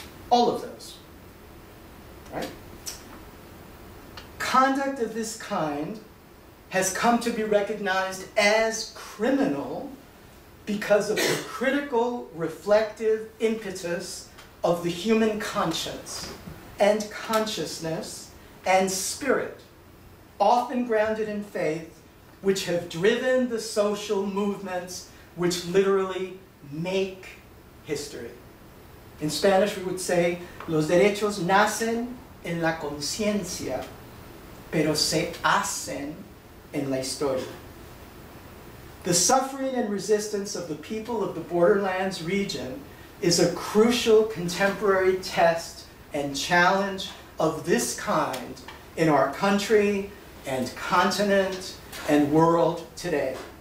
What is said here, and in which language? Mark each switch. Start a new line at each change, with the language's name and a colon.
English: All of those, right? Conduct of this kind has come to be recognized as criminal because of the critical, reflective impetus of the human conscience and consciousness and spirit, often grounded in faith, which have driven the social movements which literally make history. In Spanish, we would say,
Spanish: los derechos nacen en la conciencia, pero se hacen en la historia.
English: The suffering and resistance of the people of the borderlands region is a crucial contemporary test and challenge of this kind in our country and continent and world today.